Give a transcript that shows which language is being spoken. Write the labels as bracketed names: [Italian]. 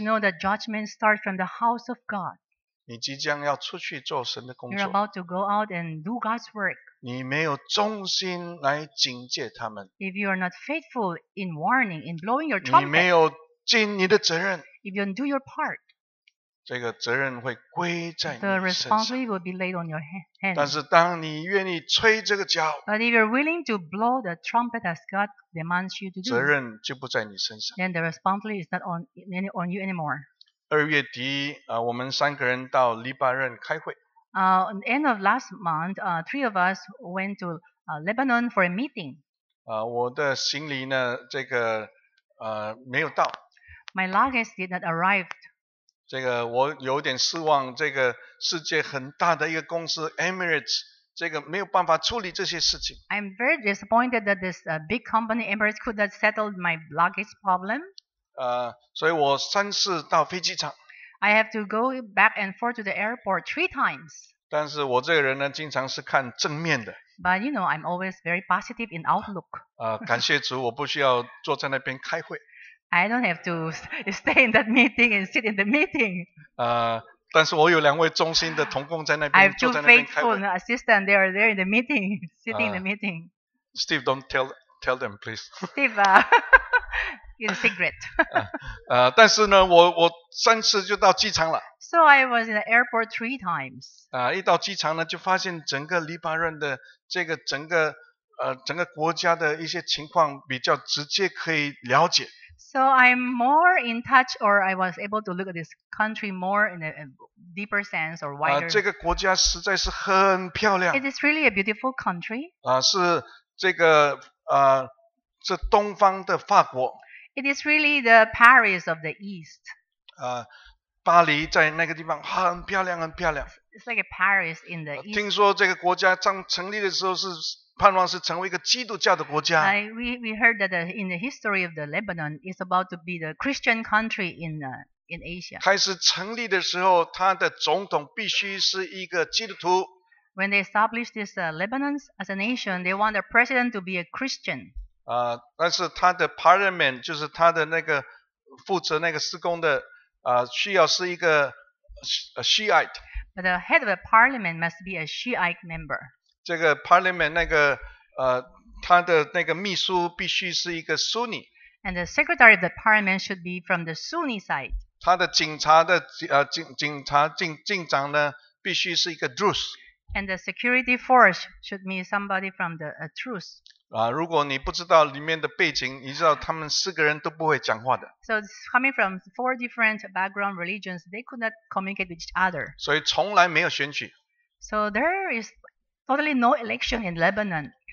[English] We have to know that judgment starts from the house of God. [Chinese] 你即将要出去做神的工作。 [English] You're about to go out and do God's work. [Chinese] 你没有忠心来警戒他们。 [English] If you are not faithful in warning, in blowing your trumpet, [Chinese] 你没有尽你的责任。 [English] If you don't do your part, [Chinese] 这个责任会归在你身上。 [English] The responsibility will be laid on your hands. [Chinese] 但是当你愿意吹这个角， [English] But if you're willing to blow the trumpet as God demands you to do, [Chinese] 责任就不在你身上。 [English] Then the responsibility is not on you anymore. [Chinese] 二月底，我们三个人到黎巴嫩开会。 [English] At the end of last month, three of us went to Lebanon for a meeting. [Chinese] 我的行李呢，这个没有到。 [English] My luggage did not arrive. [Chinese] 这个我有点失望，这个世界很大的一个公司 Emirates， 这个没有办法处理这些事情。 [English] I'm very disappointed that this big company Emirates could not settle my luggage problem. [Chinese] 所以我三次到飞机场。 [English] I have to go back and forth to the airport three times. [Chinese] 但是我这个人呢，经常是看正面的。 [English] But you know, I'm always very positive in outlook. [Chinese] 感谢主，我不需要坐在那边开会。 [English] I don't have to stay in that meeting and sit in the meeting. [Chinese] 但是我有两位忠心的同工在那边。 [English] I have two faithful assistants. They are there in the meeting, sitting in the meeting. Steve, don't tell them, please. Steve. In secret. [Chinese] 但是呢，我三次就到机场了。 [English] So I was in the airport three times. [Chinese] 一到机场呢，就发现整个黎巴嫩的这个整个国家的一些情况比较直接可以了解。 [English] So I'm more in touch, or I was able to look at this country more in a deeper sense or wider. [Chinese] 这个国家实在是很漂亮。 [English] It is really a beautiful country. [Chinese] 是这个是东方的法国。 [English] It is really the Paris of the East. [Chinese] 巴黎在那个地方很漂亮，很漂亮。 [English] It's like a Paris in the East. [Chinese] 听说这个国家刚成立的时候是盼望是成为一个基督教的国家。 [English] We heard that in the history of the Lebanon is about to be the Christian country in Asia. [Chinese] 开始成立的时候，他的总统必须是一个基督徒。 [English] When they established this Lebanon as a nation, they want the president to be a Christian. [Chinese] 但是他的 parliament 就是他的那个负责那个施工的需要是一个 Shiite。 [English] But the head of the parliament must be a Shiite member. [Chinese] 这个 parliament 那个他的那个秘书必须是一个 Sunni。 [English] And the secretary of the parliament should be from the Sunni side. [Chinese] 他的警察的警长呢必须是一个 Druze。 [English] And the security force should be somebody from the Druze. [Chinese] 如果你不知道里面的背景，你知道他们四个人都不会讲话的。 [English] So coming from four different background religions, they could not communicate with each other. [Chinese] 所以从来没有选举。 [English] So there is totally no election in Lebanon.